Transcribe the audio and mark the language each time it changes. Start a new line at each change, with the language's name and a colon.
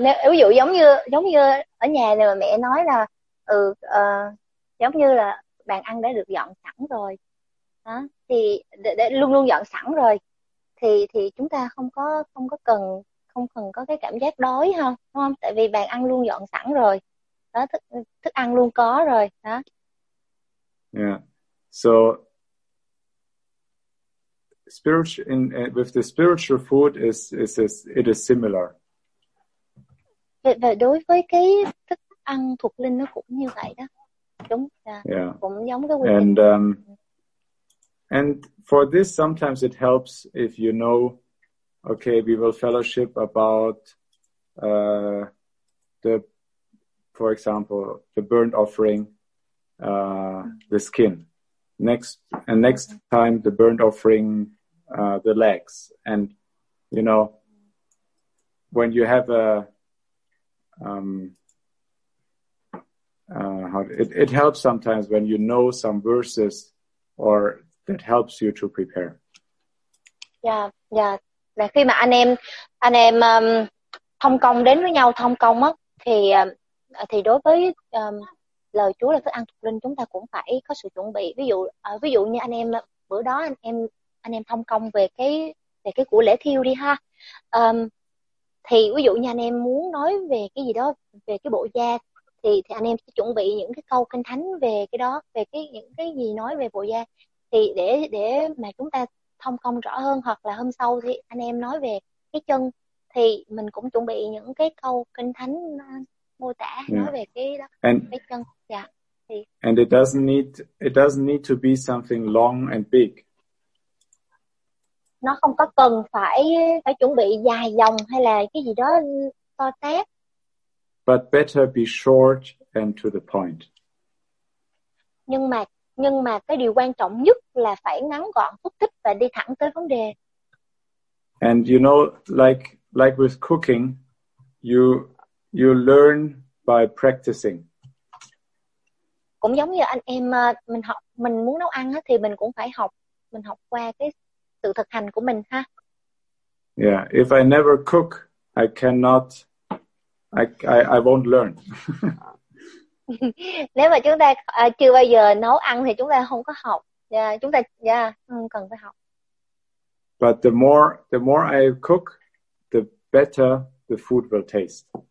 Vietnamese: Ví dụ giống như ở nhà thì mẹ nói là giống như là bàn ăn đã được dọn sẵn rồi. Đó, thì để luôn luôn dọn sẵn rồi thì chúng ta không cần có cái cảm giác đói ha, đúng không? Tại vì bàn ăn luôn dọn sẵn rồi. Đó, thức ăn luôn có rồi, đó. Yeah.
English: So spiritual with the spiritual food it is similar.
Vietnamese: Và đối với cái thức ăn thuộc linh nó cũng như vậy đó. Đúng. Yeah. Cũng giống cái quy trình.
English: And for this sometimes it helps if you know, okay, we will fellowship about the, for example, the burnt offering, the skin. Next time the burnt offering, the legs. And you know, when you have a it helps sometimes when you know some verses or that helps you to prepare. Yeah, yeah.
Vietnamese: Là khi mà anh em thông công đến với nhau thông công á, thì đối với lời Chúa là thức ăn thuộc linh, chúng ta cũng phải có sự chuẩn bị. Ví dụ như anh em bữa đó anh em thông công về cái của lễ thiêu đi ha. Thì ví dụ như anh em muốn nói về cái gì đó về cái bộ da thì anh em sẽ chuẩn bị những cái câu kinh thánh về cái đó, về cái những cái gì nói về bộ da, thì để mà chúng ta thông công rõ hơn. Hoặc là hôm sau thì anh em nói về cái chân thì mình cũng chuẩn bị những cái câu kinh thánh mô tả nói về cái đó, cái chân.
English: And it doesn't need to be something long and big.
Vietnamese: Nó không có cần phải chuẩn bị dài dòng hay là cái gì đó to tát.
English: But better be short and to the point.
Vietnamese: Nhưng mà cái điều quan trọng nhất là phải ngắn gọn, xúc tích và đi thẳng tới vấn đề.
English: And you know, like with cooking, you learn by practicing.
Vietnamese: Cũng giống như anh em mình học, mình muốn nấu ăn thì mình cũng phải học, mình học qua cái sự thực hành của mình ha.
English: Yeah, if I never cook, I cannot, I won't learn.
Vietnamese: Nếu mà chúng ta chưa bao giờ nấu ăn thì chúng ta không có học. Chúng ta cần phải học.
English: But the more I cook, the better the food will taste.